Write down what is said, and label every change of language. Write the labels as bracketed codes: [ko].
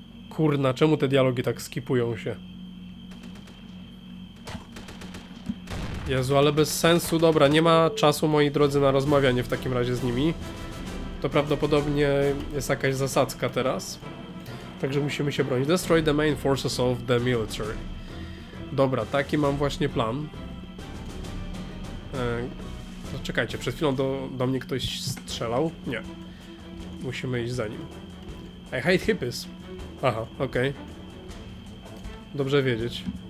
[pl] Kurna, czemu te dialogi tak skipują się? Jezu, ale bez sensu. Dobra, nie ma czasu, moi drodzy, na rozmawianie w takim razie z nimi. To prawdopodobnie jest jakaś zasadzka teraz. Także musimy się bronić. [en] Destroy the main forces of the military. [pl] Dobra, taki mam właśnie plan. No czekajcie, przed chwilą do mnie ktoś strzelał? Nie. Musimy iść za nim. [en] I hate hippies. [pl] Aha, okej. Dobrze wiedzieć.